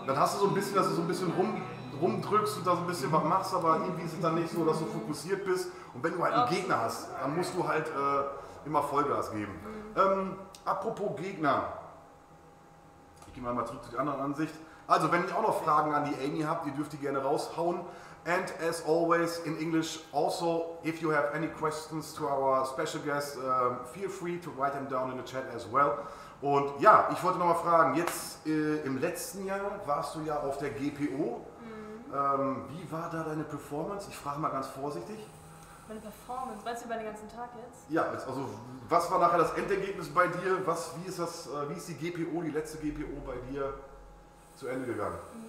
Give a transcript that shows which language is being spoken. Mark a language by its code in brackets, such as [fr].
[de] Dann hast du so ein bisschen, dass du so ein bisschen rumdrückst und da so ein bisschen was machst, aber irgendwie ist es dann nicht so, dass du fokussiert bist. Und wenn du halt einen Gegner hast, dann musst du halt immer Vollgas geben. Apropos Gegner. Ich gehe mal zurück zu der anderen Ansicht. Also, wenn ihr auch noch Fragen an die Amy habt, ihr dürft die gerne raushauen. [en] And as always in English, also if you have any questions to our special guest, feel free to write them down in the chat as well. [de] Und ja, ich wollte nochmal fragen, jetzt im letzten Jahr warst du ja auf der GPO. Wie war da deine Performance? Ich frage mal ganz vorsichtig. Meine Performance? Weißt du über den ganzen Tag jetzt? Ja, also was war nachher das Endergebnis bei dir? Wie ist die GPO, die letzte GPO bei dir zu Ende gegangen?